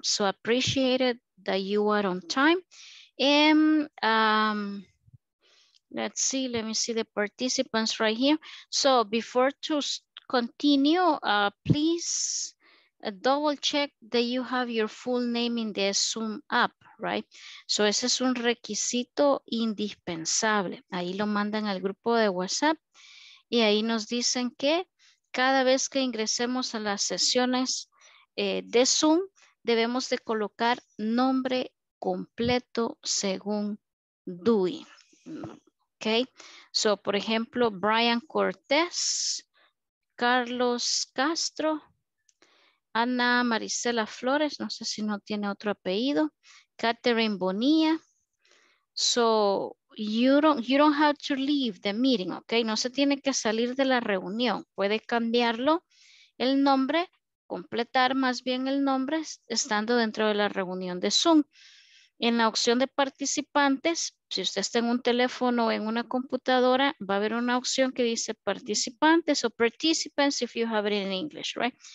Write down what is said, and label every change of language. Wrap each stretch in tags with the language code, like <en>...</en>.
<en>So appreciate it that you are on time. And let me see the participants right here. So before to continue, please double check that you have your full name in the Zoom app, right?</en> <es>So ese es un requisito indispensable. Ahí lo mandan al grupo de WhatsApp y ahí nos dicen que cada vez que ingresemos a las sesiones de Zoom, debemos de colocar nombre completo según DUI. Ok, so por ejemplo, Brian Cortés, Carlos Castro, Ana Marisela Flores, no sé si no tiene otro apellido, Catherine Bonilla.</es> <en>So you don't have to leave the meeting, okay?</en> <es>No se tiene que salir de la reunión. Puede cambiarlo el nombre, completar más bien el nombre estando dentro de la reunión de Zoom. En la opción de participantes, si usted está en un teléfono o en una computadora, va a haber una opción que dice participantes o participants</es> <en>if you have it in English,</en> <es>right?</es>